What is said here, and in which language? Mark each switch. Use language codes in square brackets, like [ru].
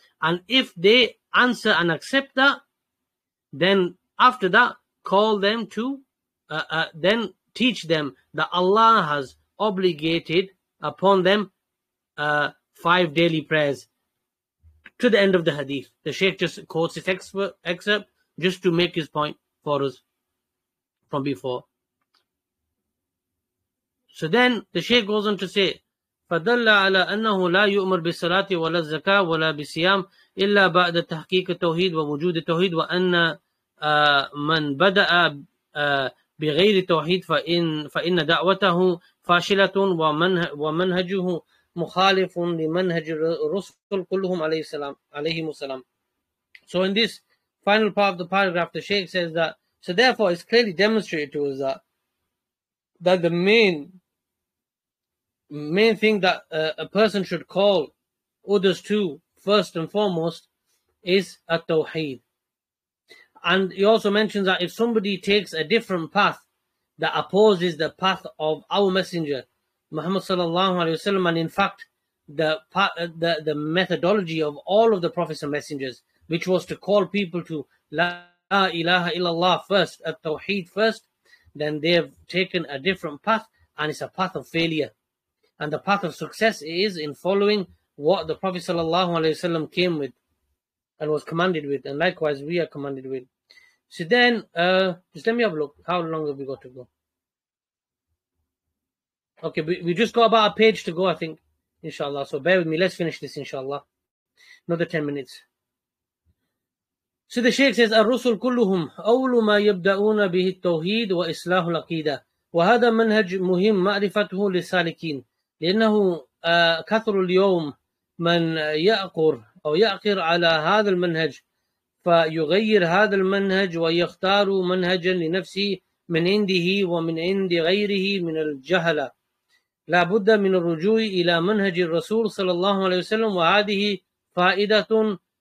[en] And if they answer and accept that, then after that, call them to, then teach them that Allah has obligated upon them five daily prayers to the end of the hadith. The Shaykh just quotes this excerpt just to make his point for us from before. [ar] So then the Shaykh goes on to say, فدل على أنه لا يؤمر بالصلاة ولا الزكاة ولا بالصيام إلا بعد تحقيق التوحيد ووجود التوحيد وأن من بدأ بغير التوحيد فإن دعوته فاشلة ومنهجه مخالف لمنهج الرسل كلهم عليهم السلام. [en] So in this final part of the paragraph, the Shaykh says that, so therefore it's clearly demonstrated to us that the main thing that a person should call others to first and foremost is At-Tawheed. And he also mentions that if somebody takes a different path that opposes the path of our messenger Muhammad sallallahu alaihi wasallam, and in fact the methodology of all of the prophets and messengers, which was to call people to la ilaha illallah first, At-Tawheed first, then they have taken a different path, and it's a path of failure. And the path of success is in following what the Prophet sallallahu alaihi wasallam came with and was commanded with, and likewise we are commanded with. So then, just let me have a look. How long have we got to go? Okay, we just got about a page to go, I think, inshallah. So bear with me. Let's finish this, inshallah. Another 10 minutes. [ar] So the Shaykh says, الرسل كلهم أول ما يبدأون به التوحيد وإصلاح الأقيدة وهذا منهج مهم معرفته للسالكين لأنه كثر اليوم من يعقر أو يعقر على هذا المنهج فيغير هذا المنهج ويختار منهجا لنفسه من عنده ومن عند غيره من الجهلة لا بد من الرجوع إلى منهج الرسول صلى الله عليه وسلم وهذه فائدة